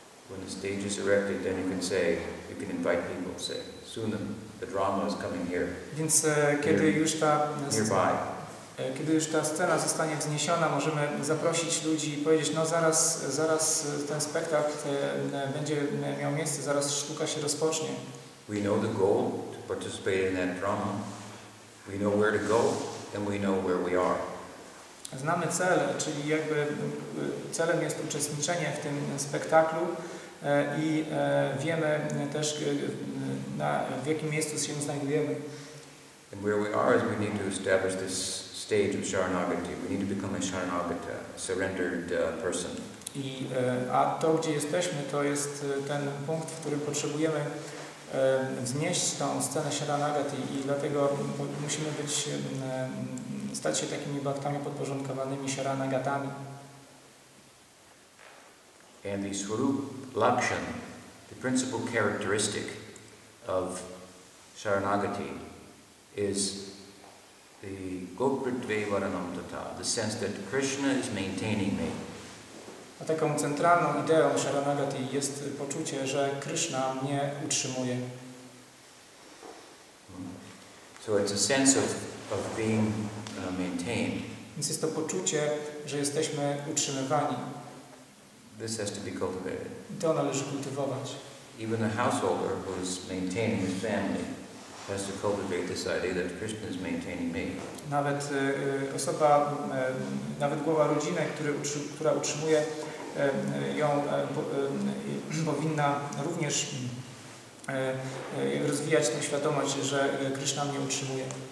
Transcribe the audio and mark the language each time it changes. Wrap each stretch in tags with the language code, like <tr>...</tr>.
<en>When the stage is erected, then you can say, you can invite people, say, soon the drama is coming here.</en> <pl>Więc kiedy już ta</pl> <en>nearby.</en> <pl>Kiedy już ta scena zostanie wzniesiona, możemy zaprosić ludzi i powiedzieć, no zaraz ten spektakl będzie miał miejsce, zaraz sztuka się rozpocznie.</pl> <en>We know the goal to participate in that drama. We know where to go and we know where we are.</en> <pl>Znamy cel, czyli jakby celem jest uczestniczenie w tym spektaklu i wiemy też w jakim miejscu się znajdujemy.</pl> <en>And where we are is we need to establish this stage of Sharanagati. We need to become a Sharanagata, surrendered person.</en> <pl>A to, gdzie jesteśmy, to jest ten punkt, w którym potrzebujemy wznieść tą scenę Sharanagati i dlatego musimy być stać się takimi bhaktami podporządkowanymi Sharanagatami.</pl> <en>And the swarup lakshan, the principal characteristic of Sharanagati is the</en> <sa>gopritve varanam tata,</sa> <en>the sense that Krishna is maintaining me.</en> <pl>A taką centralną ideą Sharanagati jest poczucie, że Krishna mnie utrzymuje.</pl> <en>So it's a sense of being maintained.</en> <pl>Więc jest to poczucie, że jesteśmy utrzymywani.</pl> <en>This has to be cultivated.</en> <pl>I to należy kultywować.</pl> <en>Even a householder who is maintaining his family has to cultivate this idea that Krishna is maintaining me.</en> <pl>Nawet osoba, nawet głowa rodziny, która utrzymuje ją, powinna również rozwijać tę świadomość, że Krishna mnie utrzymuje.</pl>